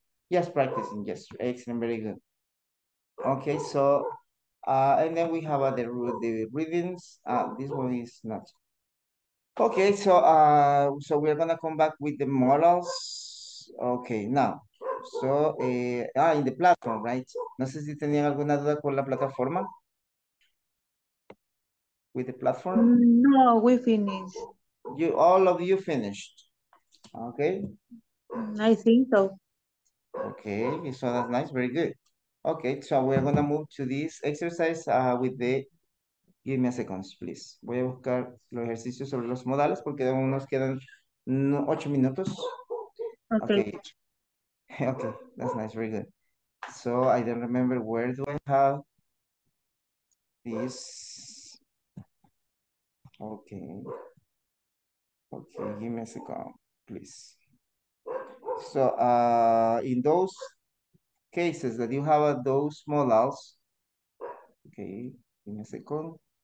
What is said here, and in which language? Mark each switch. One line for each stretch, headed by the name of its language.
English: Just practicing. Excellent. Very good. Okay. So, and then we have the readings. This one is not. Okay. So, so we're going to come back with the models. Okay. Now. So, in the platform, right?
Spanish: No sé si tenían alguna duda con la plataforma.
English: With the platform? No, we finished. All of you finished. Okay. I think so. Okay, so that's nice, very good. Okay, so we're gonna move to this exercise give me a second, please.
Spanish: Voy a buscar los ejercicios sobre los modales porque aún nos quedan 8 minutos.
English: Okay. Okay, that's nice, very good. So I don't remember where do I have this. Okay, give me a second, please. So in those cases that you have those models, okay, give me a second.